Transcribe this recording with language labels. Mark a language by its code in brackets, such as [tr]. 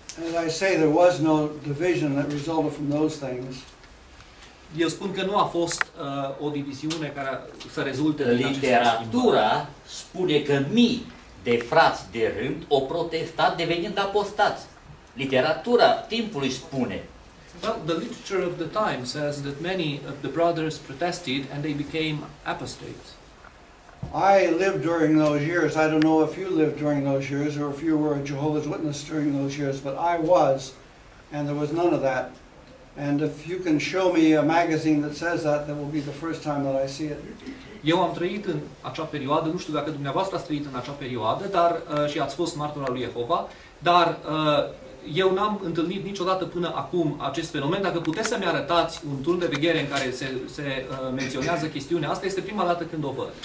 [en] As I say, there was no division that resulted from those things. [ro] Eu spun că nu a fost o diviziune care să rezulte. Literatura spune că mii de frați de rând au protestat devenind apostați. Literatura timpului spune. [en] Well, the literature of the time says that many of the brothers protested and they became apostates. I lived during those years. I don't know if you lived during those years or if you were a Jehovah's Witness during those years, but I was, and there was none of that. And if you can show me a magazine that says that, that will be the first time that I see it. [ro] Eu am trăit în acea perioadă, nu știu dacă dumneavoastră ați trăit în acea perioadă, dar și ați fost martor al lui Jehova, dar eu n-am întâlnit niciodată până acum acest fenomen. Dacă puteți să-mi arătați un turn de veghere în care se menționează chestiunea asta, este prima dată când o văd.